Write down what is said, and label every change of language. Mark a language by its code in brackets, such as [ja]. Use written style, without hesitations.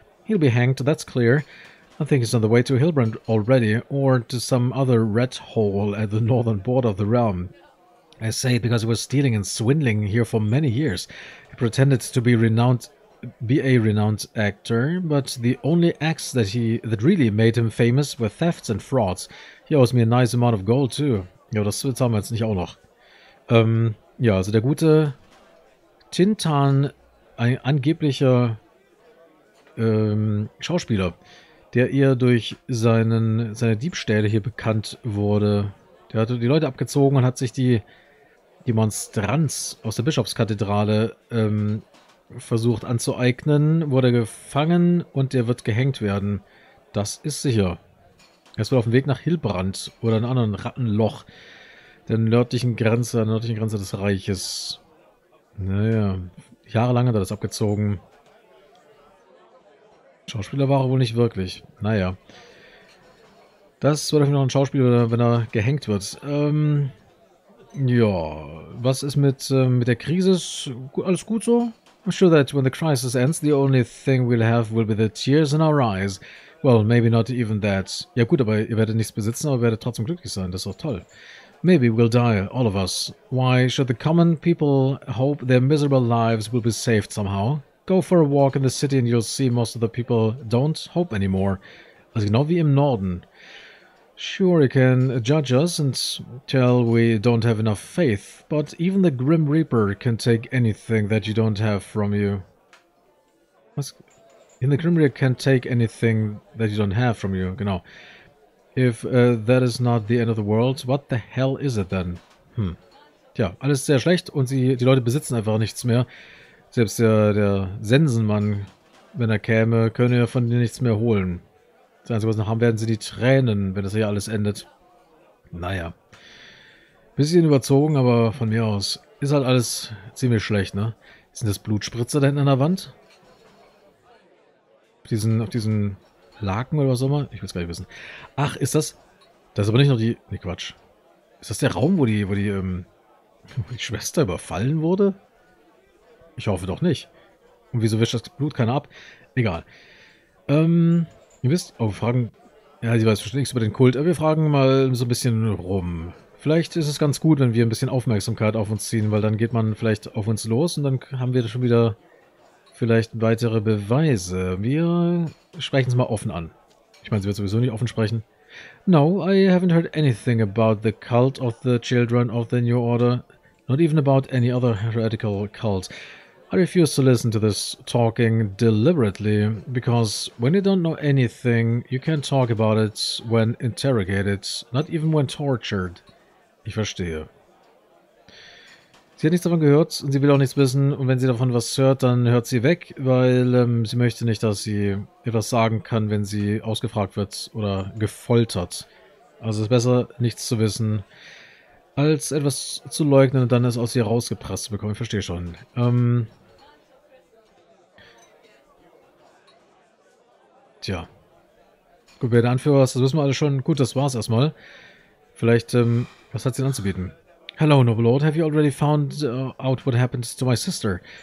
[en] He'll be hanged, that's clear. I think he's on the way to Hillbrand already, or to some other rat hole at the northern border of the realm. I say because he was stealing and swindling here for many years. He pretended to be a renowned actor, but the only acts that really made him famous were thefts and frauds. He owes me a nice amount of gold too. [de] Ja, das zahlen wir jetzt nicht auch noch. Ja, also der gute Tintan, ein angeblicher Schauspieler, der eher durch seine Diebstähle hier bekannt wurde. Der hatte die Leute abgezogen und hat sich die Monstranz aus der Bischofskathedrale versucht anzueignen, wurde gefangen und der wird gehängt werden. Das ist sicher. Er ist wohl auf dem Weg nach Hillbrand oder einem anderen Rattenloch, der nördlichen Grenze des Reiches. Naja, jahrelang hat er das abgezogen. Schauspieler war er wohl nicht wirklich. Naja. Das wird auf jeden Fall ein Schauspieler, wenn er gehängt wird. Ja, was ist mit der Krise? Alles gut so? [en] I'm sure that when the crisis ends, the only thing we'll have will be the tears in our eyes. Well, maybe not even that. [de] Ja gut, aber ihr werdet nichts besitzen, aber werdet trotzdem glücklich sein. Das ist auch toll. [en] Maybe we'll die, all of us. Why should the common people hope their miserable lives will be saved somehow? Go for a walk in the city and you'll see most of the people don't hope anymore. [de] Also genau wie im Norden. [en] Sure, you can judge us and tell we don't have enough faith, but even the Grim Reaper can take anything that you don't have from you. Was? In the Grim Reaper can take anything that you don't have from you, genau. If that is not the end of the world, what the hell is it then? [de] Tja, alles sehr schlecht und die Leute besitzen einfach nichts mehr. Selbst der Sensenmann, wenn er käme, könnte ja von dir nichts mehr holen. Das Einzige, was noch haben, werden sie die Tränen, wenn das hier alles endet. Naja. Bisschen überzogen, aber von mir aus ist halt alles ziemlich schlecht, ne? Sind das Blutspritzer da hinten an der Wand? Auf diesen Laken oder was auch immer? Ich will es gar nicht wissen. Ach, ist das... Das ist aber nicht noch die... Nee, Quatsch. Ist das der Raum, wo die Schwester überfallen wurde? Ich hoffe doch nicht. Und wieso wischt das Blut keiner ab? Egal. Ihr wisst, oh, wir fragen, ja, sie weiß bestimmt nichts über den Kult, aber wir fragen mal so ein bisschen rum. Vielleicht ist es ganz gut, wenn wir ein bisschen Aufmerksamkeit auf uns ziehen, weil dann geht man vielleicht auf uns los und dann haben wir schon wieder vielleicht weitere Beweise. Wir sprechen es mal offen an. Ich meine, sie wird sowieso nicht offen sprechen. [en] No, I haven't heard anything about the cult of the children of the New Order. Not even about any other heretical cult. I refuse to listen to this talking deliberately, because when you don't know anything, you can't talk about it when interrogated, not even when tortured. [de] Ich verstehe. Sie hat nichts davon gehört und sie will auch nichts wissen und wenn sie davon was hört, dann hört sie weg, weil sie möchte nicht, dass sie etwas sagen kann, wenn sie ausgefragt wird oder gefoltert. Also es ist besser, nichts zu wissen, als etwas zu leugnen und dann es aus ihr rausgepresst zu bekommen. Ich verstehe schon. Tja. Gut, wer der Anführer ist, das wissen wir alle schon. Gut, das war's erstmal. Vielleicht, was hat sie denn anzubieten? [en] Hello, noble lord. Have you already found out what happened to my sister?